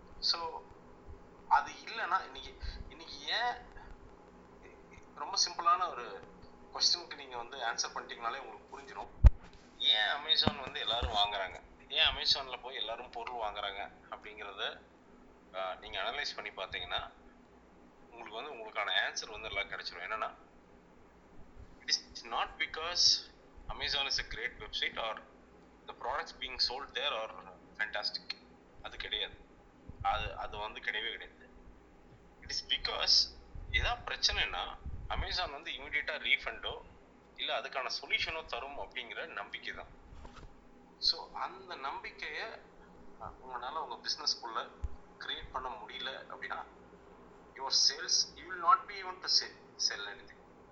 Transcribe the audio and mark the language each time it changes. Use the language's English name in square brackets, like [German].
[Tamil] So அது இல்லைனா இன்னைக்கு ஏன், ரொம்ப சிம்பிளான ஒரு க்வெஸ்சனுக்கு நீங்கள் வந்து ஆன்சர் பண்ணிட்டீங்கனாலே உங்களுக்கு புரிஞ்சிடும், ஏன் அமேசான் வந்து எல்லோரும் வாங்குறாங்க, ஏன் அமேசானில் போய் எல்லோரும் பொருள் வாங்குறாங்க அப்படிங்கிறத நீங்கள் அனலைஸ் பண்ணி பார்த்தீங்கன்னா உங்களுக்கு வந்து உங்களுக்கான ஆன்சர் வந்து எல்லாம் கிடச்சிடும். என்னென்னா, [English] it's not because Amazon is a great website or the products being sold there are fantastic. [Tamil] அது கிடையாது, அது அது வந்து கிடையவே கிடையாது. [English] it is because [Tamil] ஏதாவது பிரச்சனைனா அமேசான் வந்து இமீடியட்டாக ரீஃபண்டோ இல்லை அதுக்கான சொல்யூஷனோ தரும் அப்படிங்கிற நம்பிக்கை தான். ஸோ அந்த நம்பிக்கையை உங்களால் உங்கள் பிஸ்னஸ்க்குள்ளே க்ரியேட் பண்ண முடியல அப்படின்னா [English] Your sales you will not be even to sell anything.